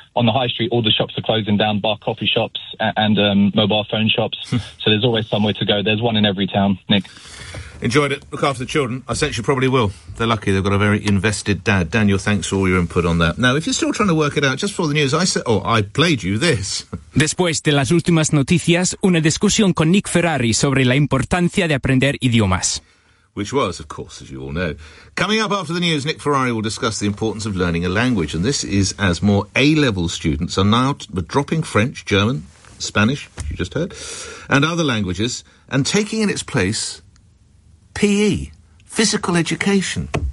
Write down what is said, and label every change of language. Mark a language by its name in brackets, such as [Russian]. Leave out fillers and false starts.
[English] On the high street, all the shops are closing down, bar coffee shops and mobile phone shops. So there's always somewhere to go. There's one in every town, Nick. Enjoyed it. Look after the children. I sense you probably will. They're lucky. They've got a very invested dad. Daniel, thanks for all your input on that. Now, if you're still trying to work it out, just for the news, I played you this. [Spanish] Después de las últimas noticias, una discusión con Nick Ferrari sobre la importancia de aprender idiomas. [English] Which was, of course, as you all know. Coming up after the news, Nick Ferrari will discuss the importance of learning a language, and this is as more A-level students are now dropping French, German, Spanish, as you just heard, and other languages, and taking in its place PE, physical education.